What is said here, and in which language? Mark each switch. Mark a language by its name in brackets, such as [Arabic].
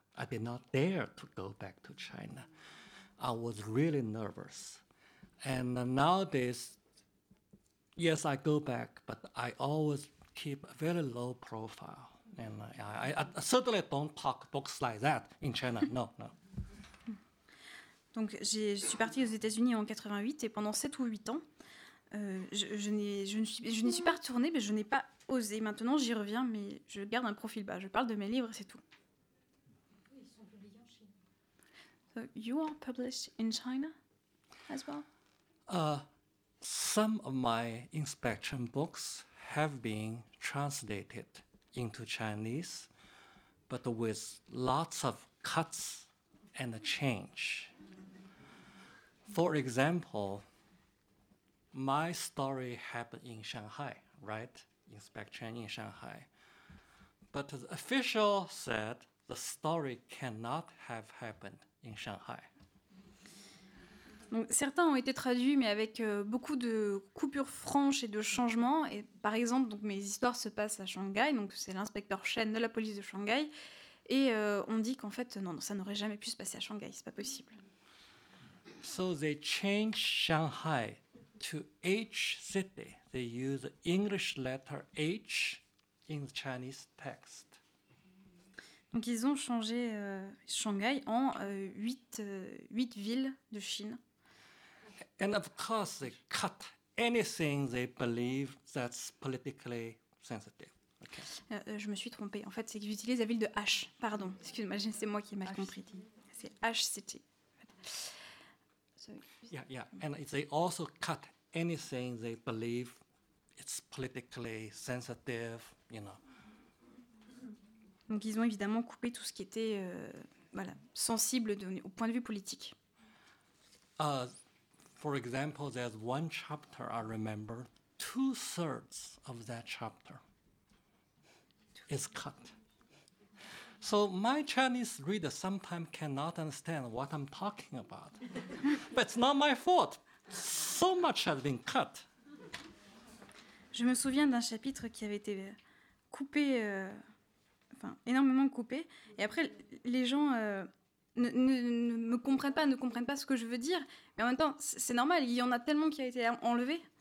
[English] I did not dare to go back to China. I was really nervous. And nowadays, yes, I go back, but I always keep a very low profile. And I certainly don't talk books like that in China, no, no. [French] Donc, je suis partie aux États-Unis en 88, et pendant 7 ou 8 ans, je n'y suis pas retournée, mais je n'ai pas osé. Maintenant, j'y reviens, mais je garde un profil bas. Je parle de mes livres, c'est tout. Ils sont publiés en Chine. [English] So, you are published in China as well? Some of my inspection books have been translated into Chinese, but with lots of cuts and a change. For example, my story happened in Shanghai, right? Inspection in Shanghai. But the official said the story cannot have happened in Shanghai. [French] Donc, certains ont été traduits, mais avec beaucoup de coupures franches et de changements. Et, par exemple, donc, mes histoires se passent à Shanghai, donc c'est l'inspecteur Chen de la police de Shanghai. Et on dit qu'en fait, non, ça n'aurait jamais pu se passer à Shanghai, ce n'est pas possible. [English] So they change Shanghai to H city. They use English letter H in the Chinese text. [French] Donc ils ont changé Shanghai en 8 villes de Chine. [English] And of course, they cut anything they believe that's politically sensitive. Okay. [French] Je me suis trompée. En fait, c'est qu'ils utilisent la ville de H. Pardon, excuse-moi, c'est moi qui ai mal compris. C'est H city. [English] Yeah. And they also cut anything they believe it's politically sensitive, you know. [French] Donc, ils ont évidemment coupé tout ce qui était voilà, sensible de, au point de vue politique. [English] For example, there's one chapter I remember, two-thirds of that chapter is cut. So my Chinese reader sometimes cannot understand what I'm talking about. But it's not my fault. So much has been cut. [French] Je me souviens d'un chapitre qui avait été coupé, enfin, énormément coupé. Et après, les gens ne me comprennent pas, ne comprennent pas ce que je veux dire. Mais en même temps, c'est normal, il y en a tellement qui a été enlevé.